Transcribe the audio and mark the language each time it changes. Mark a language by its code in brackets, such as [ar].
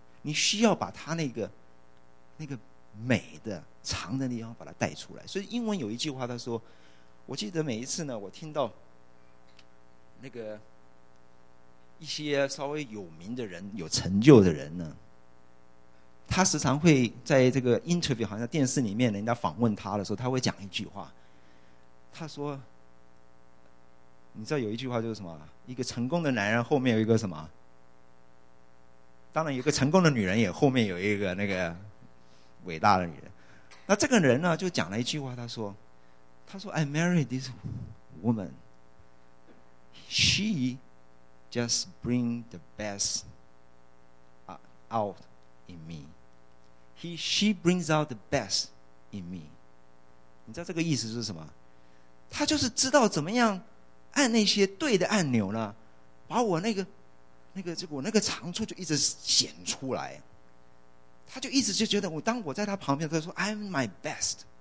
[zh] 你需要把他那个美的藏的地方把它带出来。所以英文有一句话，他说，我记得每一次呢，我听到那个一些稍微有名的人、有成就的人呢，他时常会在这个 interview， 好像电视里面人家访问他的时候，他会讲一句话。他说：“你知道有一句话就是什么？一个成功的男人后面有一个什么？当然，有一个成功的女人也后面有一个那个伟大的女人。那这个人呢，就讲了一句话，他说。” 他说 [en] I married this woman. She just bring the best out in me. She brings out the best in me. [zh] 你知道这个意思是什么？他就是知道怎么样按那些对的按钮呢，把我那个长处就一直显出来。他就一直就觉得当我在他旁边，他说 [en] I'm my best。